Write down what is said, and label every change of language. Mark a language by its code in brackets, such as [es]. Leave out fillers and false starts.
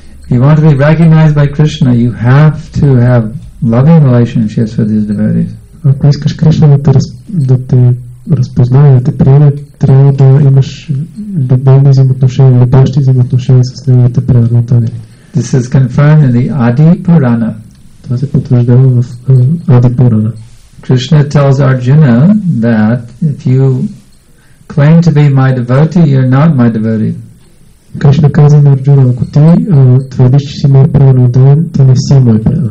[en] If you want to be recognized by Krishna, you have to have loving relationships with his devotees. [bg] Ако искаш Кришна да те разпознае, да те приеме, трябва да имаш любовни взаимоотношения, любящи взаимоотношения с неговите преданодари. [en] This is confirmed in the Adi Purana. [bg] Това се потвърждава в Adi Purana. [en] Krishna tells Arjuna that if you claim to be my devotee, you're not my devotee. [bg] Кришна каза на Арджуна, ако ти твърдиш, че си мой преданодарен, ти не си мой